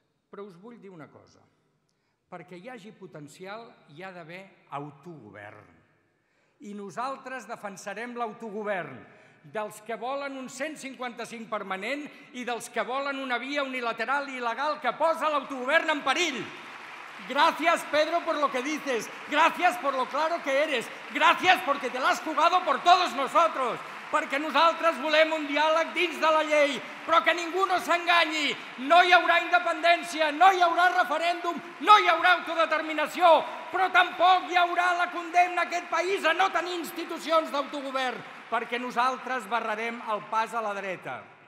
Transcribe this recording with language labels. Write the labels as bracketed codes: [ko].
[ca] Però us vull dir una cosa. Perquè hi hagi potencial, hi ha d'haver autogovern. I nosaltres defensarem l'autogovern dels que volen un 155 permanent i dels que volen una via unilateral i il·legal que posa l'autogovern en perill. [es] Gracias, Pedro, por lo que dices. Gracias por lo claro que eres. Gracias porque te lo has jugado por todos nosotros. [ca] Perquè nosaltres volem un diàleg dins de la llei, però que ningú no s'enganyi. No hi haurà independència, no hi haurà referèndum, no hi haurà autodeterminació, però tampoc hi haurà la condemna a aquest país a no tenir institucions d'autogovern, perquè nosaltres barrarem el pas a la dreta.